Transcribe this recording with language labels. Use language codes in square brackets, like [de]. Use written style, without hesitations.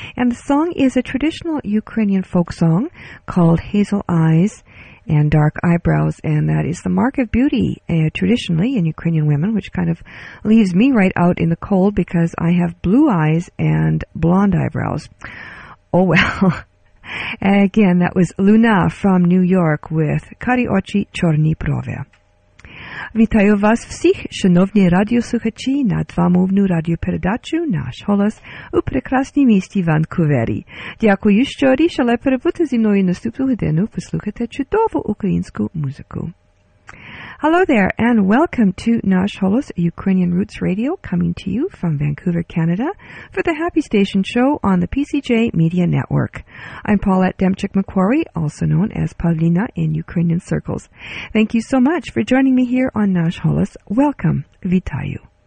[en] And the song is a traditional Ukrainian folk song called Hazel Eyes and Dark Eyebrows, and that is the mark of beauty traditionally in Ukrainian women, which kind of leaves me right out in the cold because I have blue eyes and blonde eyebrows. Oh, well. Again, that was Luna from New York with Kari Ochi Chorni Prove. [uk] Вітаю вас всіх, шановні радіослухачі, на двомовну радіопередачу «Наш голос» у прекрасній місті Ванкувері. Дякую, що рішили перебути зі мною наступну годину послухати чудову українську музику. [en] Hello there, and welcome to Nash Holos Ukrainian Roots Radio, coming to you from Vancouver, Canada, for the Happy Station Show on the PCJ Media Network. I'm Paulette Demchik-Macquarie, also known as Paulina in Ukrainian circles. Thank you so much for joining me here on Nash Holos. Welcome, Vitayu.